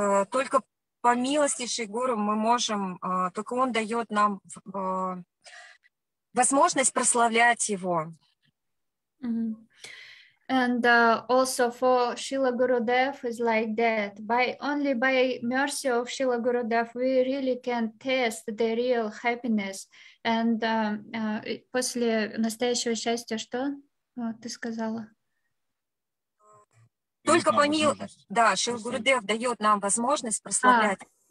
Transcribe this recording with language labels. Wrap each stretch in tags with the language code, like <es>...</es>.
<ru>Только по милости Шри Гуру мы можем, только он дает нам возможность прославлять его. Mm-hmm.</ru> <en>And also for Srila Gurudev is like that. Only by mercy of Srila Gurudev we really can taste the real happiness.</en> <ru>And после настоящего счастья что ты сказала? Только помилуй, да, Шрила Гурудев дает нам возможность прославлять.</ru>